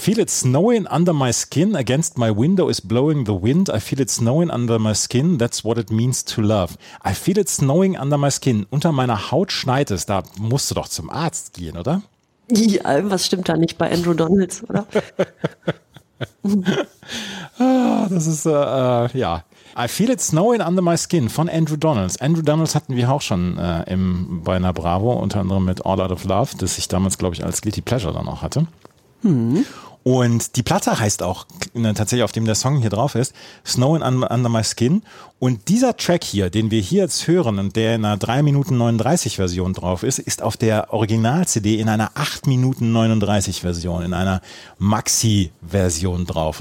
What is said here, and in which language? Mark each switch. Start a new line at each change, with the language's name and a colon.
English: feel it snowing under my skin. Against my window is blowing the wind. I feel it snowing under my skin. That's what it means to love. I feel it snowing under my skin.
German: Unter meiner Haut schneit es. Da musst du doch zum Arzt gehen, oder? Ja, was stimmt da nicht bei Andrew Donalds, oder? Das ist, ja. I feel it snowing under my skin von Andrew Donalds. Andrew Donalds hatten wir auch schon bei einer Bravo, unter anderem mit All Out of Love, das ich damals, glaube ich, als Guilty Pleasure dann auch hatte. Und die Platte heißt auch, tatsächlich auf dem der Song hier drauf ist, Snowing Under My Skin. Und dieser Track hier, den wir hier jetzt hören und der in einer 3 Minuten 39 Version drauf ist, ist auf der Original-CD in einer 8 Minuten 39 Version, in einer Maxi-Version drauf.